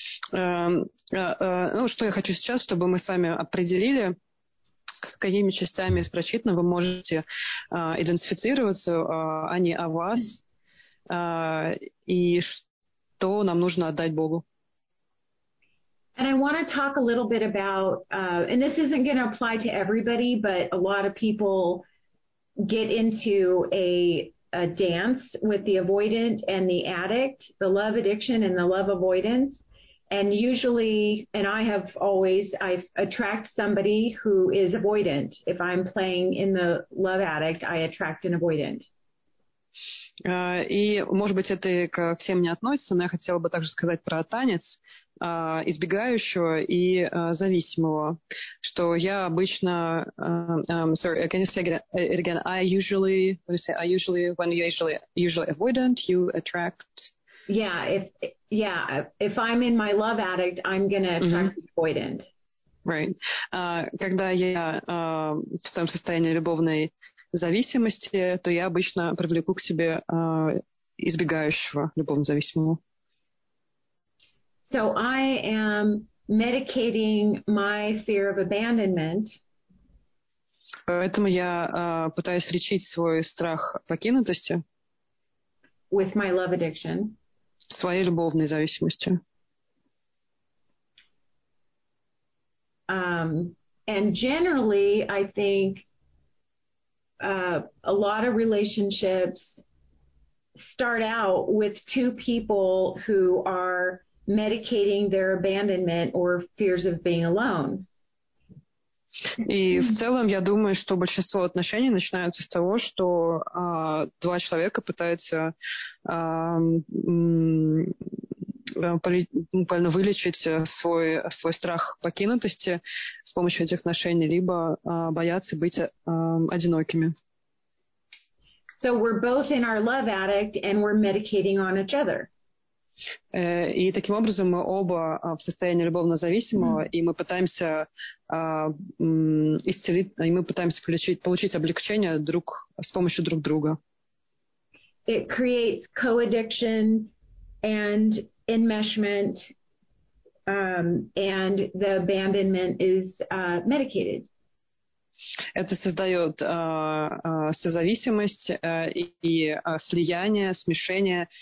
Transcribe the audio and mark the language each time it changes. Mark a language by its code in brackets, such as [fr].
[ru] Ну, что я хочу сейчас, чтобы мы с вами определили, какими частями из прочитанного вы можете идентифицироваться, а не о вас, и что нам нужно отдать Богу. [en] And I want to talk a little bit about, and this isn't going to apply to everybody, but a lot of people get into a dance with the avoidant and the addict, the love addiction and the love avoidance. And usually, and I have always, I attract somebody who is avoidant. If I'm playing in the love addict, I attract an avoidant. [ru] И, может быть, это ко всем не относится, но я хотела бы также сказать про танец избегающего и зависимого, что я обычно... [en] sorry, can you say it again? When you usually avoidant, you attract... Yeah, if I'm in my love addict, I'm going to attract avoidant. Right. [ru] Когда я в своем состоянии любовной зависимости, то я обычно привлеку к себе избегающего любовно зависимого. [en] So I am medicating my fear of abandonment. [ru] Поэтому я пытаюсь лечить свой страх покинутости. [en] With my love addiction. [ru] Своей любовной зависимостью. [en] And generally, I think a lot of relationships start out with two people who are medicating their abandonment or fears of being alone. [ru] И в целом, я думаю, что большинство отношений начинаются с того, что два человека пытаются буквально вылечить свой страх покинутости с помощью этих отношений, либо боятся быть одинокими. [en] So we're both in our love addict and we're medicating on each other. [ru] И таким образом мы оба в состоянии любовно-зависимого, и мы пытаемся исцелить, и мы пытаемся получить облегчение друг с помощью друг друга. [en] It creates co-addiction and enmeshment, and the abandonment is medicated. [ru] Это создает созависимость и слияние, смешение.